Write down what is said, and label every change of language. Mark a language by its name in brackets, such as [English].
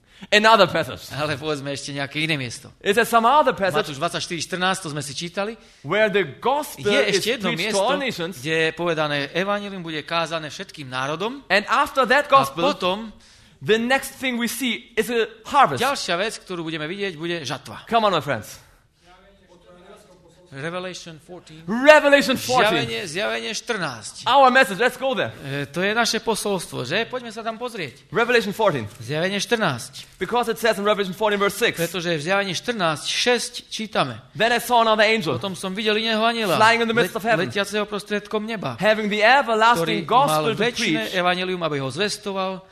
[English] Another passage. [Slovak] Ale povedzme ešte nejaké iné miesto. [English] Is there some other passage? [Slovak] Matúš 24:14, to sme si čítali. [English] Where the gospel, [Slovak] je ešte jedno miesto, [English] nations, [Slovak] kde je povedané, evanjelium bude kázané všetkým národom. [English] And after that gospel, [Slovak] a potom, [English] the next thing we see is a harvest. [Slovak] Ďalšia vec, ktorú budeme vidieť, bude žatva. [English] Come on, my friends. Revelation 14. Revelation 14. [Slovak] Zjavenie 14. [English] Our message, let's go there. [Slovak] To je naše posolstvo, že? Poďme sa tam pozrieť. [English] Revelation 14. [Slovak] Zjavenie 14. [English] Because it says in Revelation 14 verse 6. [Slovak] Pretože v Zjavení 14, 6 čítame. [English] Then I saw another angel. [Slovak] Potom som videl iného anjela. [English] Flying in the midst of heaven. [Slovak] Letiaceho prostriedkom neba. [English] Having the everlasting gospel to preach. [Slovak] Ktorý mal večné evanjelium, aby ho zvestoval.